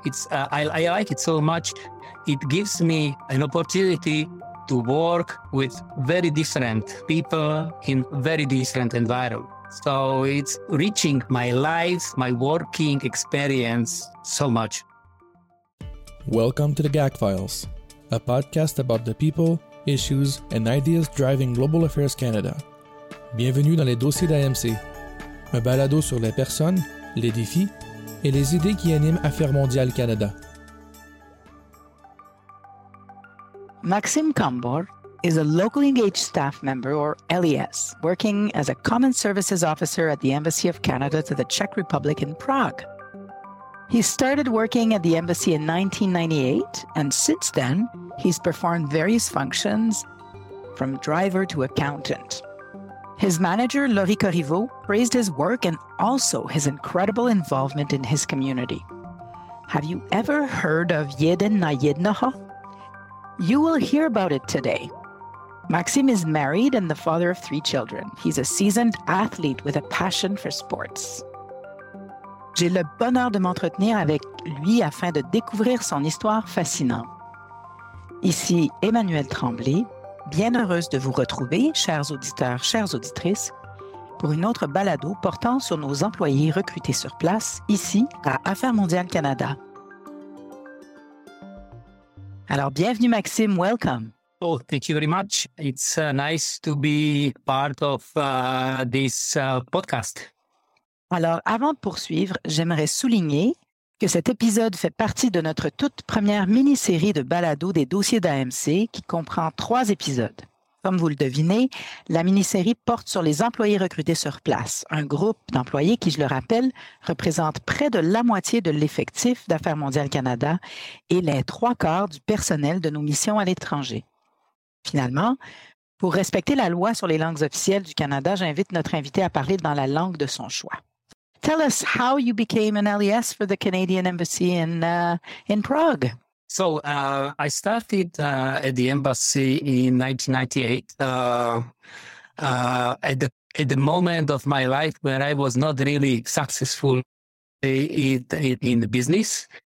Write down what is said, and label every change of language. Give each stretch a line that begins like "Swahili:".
English: It's I like it so much. It gives me an opportunity to work with very different people in very different environments. So it's reaching my life, my working experience so much. Welcome to the GAC Files, a podcast about the people, issues, and ideas driving Global Affairs Canada.
French: Bienvenue dans les dossiers d'AMC, un balado sur les personnes, les défis et les idées qui animent Affaires mondiales Canada.
English: Maxime Cambor is a locally engaged staff member, or LES, working as a common services officer at the Embassy of Canada to the Czech Republic in Prague. He started working at the embassy in 1998, and since then, he's performed various functions, from driver to accountant. His manager, Laurie Corriveau, praised his work and also his incredible involvement in his community. Have you ever heard of Yeden na Yednoho? You will hear about it today. Maxime is married and the father of three children. He's a seasoned athlete with a passion for sports.
French: J'ai le bonheur de m'entretenir avec lui afin de découvrir son histoire fascinante. Ici Emmanuelle Tremblay, bien heureuse de vous retrouver, chers auditeurs, chères auditrices, pour une autre balado portant sur nos employés recrutés sur place, ici à Affaires mondiales Canada. Alors, bienvenue Maxime,
English: welcome. Oh, thank you very much. It's nice to be part of this podcast.
French: Alors, avant de poursuivre, j'aimerais souligner que cet épisode fait partie de notre toute première mini-série de balado des dossiers d'AMC qui comprend trois épisodes. Comme vous le devinez, la mini-série porte sur les employés recrutés sur place, un groupe d'employés qui, je le rappelle, représente près de la moitié de l'effectif d'Affaires mondiales Canada et les trois quarts du personnel de nos missions à l'étranger. Finalement, pour respecter la loi sur les langues officielles du Canada, j'invite notre invité à parler dans la langue de son choix.
English: Tell us how you became an LES for the Canadian Embassy in Prague. So I started at the embassy in 1998, at the moment of my life where I was not really successful in the business.